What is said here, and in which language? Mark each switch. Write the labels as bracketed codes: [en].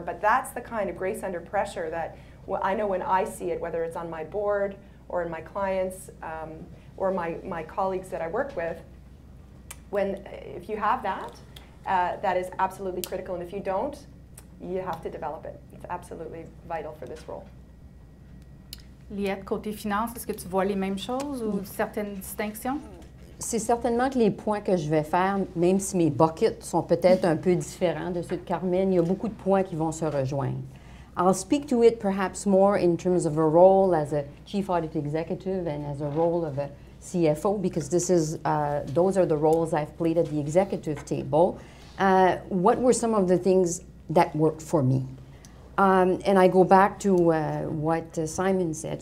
[en] But that's the kind of grace under pressure that I know when I see it, whether it's on my board or in my clients or my colleagues that I work with, if you have that, that is absolutely critical. And if you don't, you have to develop it. It's absolutely vital for this role. [fr] Liette, côté finance, est-ce que tu vois les mêmes choses ou certaines distinctions? C'est certainement que les points que je vais faire, même si mes buckets sont peut-être un peu différents de ceux de Carmen, il y a beaucoup de points qui vont se rejoindre. [en] I'll speak to it perhaps more in terms of a role as a chief audit executive and as a role of a CFO, because those are the roles I've played at the executive table. What were some of the things that worked for me? And I go back to what Simon said.